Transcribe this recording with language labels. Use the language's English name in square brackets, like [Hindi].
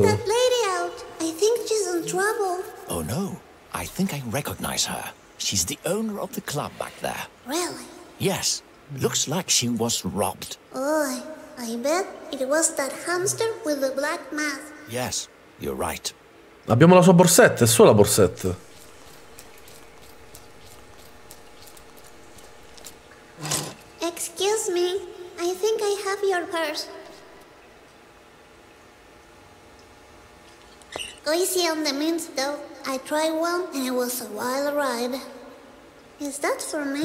[English] Check that lady out. I think she's in trouble. Oh no. I think I recognize her. She's the owner of the club back there. Really? Yes. Looks like she was robbed. Oh, I bet it was that hamster with the black mask. Yes, you're right. [Italian] Abbiamo la sua borsetta, è sua la borsetta. [English] Excuse me, I think I have your purse. Go easy on the mints, though. I tried one and it was a wild ride. Is that for me?